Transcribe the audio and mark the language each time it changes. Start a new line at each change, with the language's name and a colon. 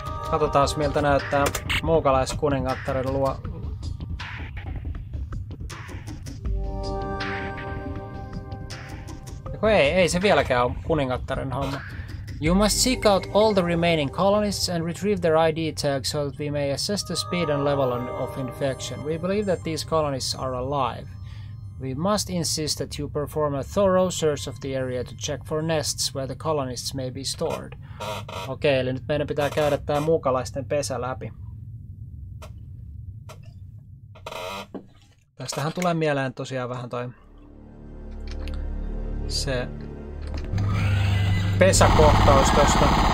Finnish: Katsotaas miltä näyttää muukalaiskuningattaren luo. Ei se vieläkään ole kuningattaren homma.
English: You must seek out all the remaining colonists and retrieve their ID tags so that we may assess the speed and level of infection. We believe that these colonists are alive. We must insist that you perform a thorough search of the area to check for nests where the colonists may be stored.
Finnish: Okei, eli nyt meidän pitää käydä tää muukalaisten pesä läpi. Tästähän tulee mieleen tosiaan vähän toi... se pesäkohtaus tosta.